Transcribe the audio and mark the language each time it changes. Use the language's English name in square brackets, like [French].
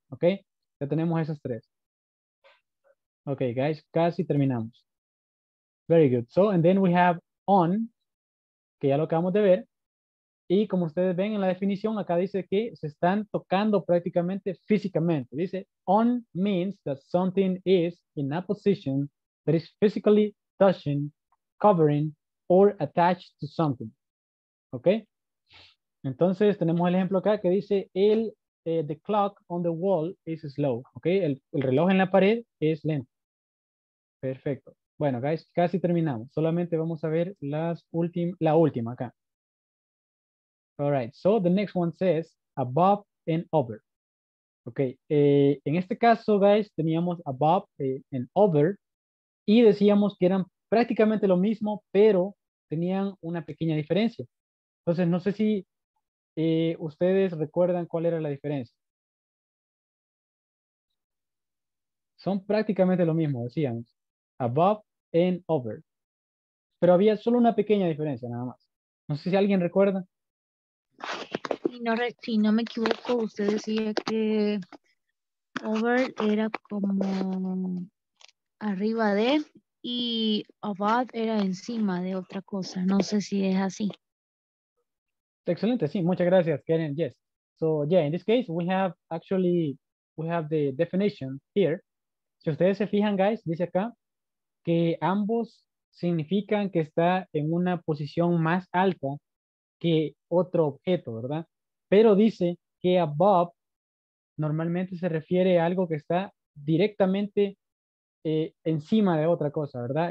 [Spanish] Ok, ya tenemos esas tres. Okay, guys, casi terminamos. [English] Very good. So, and then we have on, [Spanish] que ya lo acabamos de ver. Y como ustedes ven en la definición, acá dice que se están tocando prácticamente físicamente. [English] Dice, on means that something is in a position that is physically touching, covering, or attached to something. [Spanish] ¿Ok? Entonces, tenemos el ejemplo acá que dice, [English] the clock on the wall is slow. [Spanish] ¿Ok? El reloj en la pared es lento. Perfecto. Bueno, guys, casi terminamos. Solamente vamos a ver la última acá. [English] All right, so the next one says above and over. [Spanish] Okay, en este caso, guys, teníamos above and over y decíamos que eran prácticamente lo mismo, pero tenían una pequeña diferencia. Entonces, no sé si ustedes recuerdan cuál era la diferencia. Son prácticamente lo mismo, decíamos, above and over. Pero había solo una pequeña diferencia, nada más. No sé si alguien recuerda. Si no me equivoco, usted decía que over era como arriba de y above era encima de otra cosa. No sé si es así. Excelente, sí, muchas gracias, Karen. Yes. [English] So, yeah, in this case, we have the definition here. [Spanish] Si ustedes se fijan, guys, dice acá que ambos significan que está en una posición más alta que otro objeto, ¿verdad? Pero dice que above normalmente se refiere a algo que está directamente encima de otra cosa, ¿verdad?